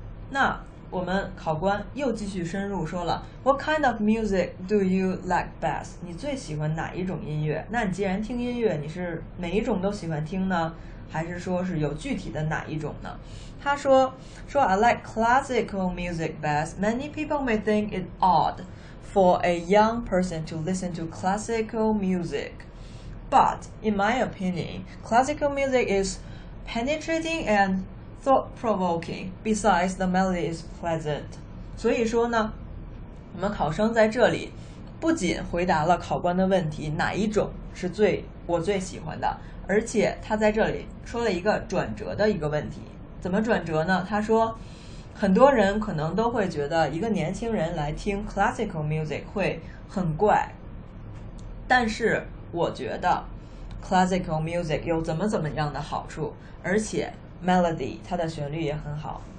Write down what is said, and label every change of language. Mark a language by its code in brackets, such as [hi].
[zh] 那我们考官又继续深入说了， [en] What kind of music do you like best？ [zh] 你最喜欢哪一种音乐？那你既然听音乐，你是每一种都喜欢听呢，还是说是有具体的哪一种呢？他说 [en] I like classical music best. Many people may think it odd for a young person to listen to classical music, but in my opinion, classical music is penetrating and thought-provoking. Besides, the melody is pleasant. [zh] 所以说呢，我们考生在这里不仅回答了考官的问题，哪一种是我最喜欢的，而且他在这里说了一个转折的一个问题。怎么转折呢？他说很多人可能都会觉得一个年轻人来听 classical music 会很怪，但是我觉得 classical music 有怎么怎么样的好处，而且 melody 它的旋律也很好。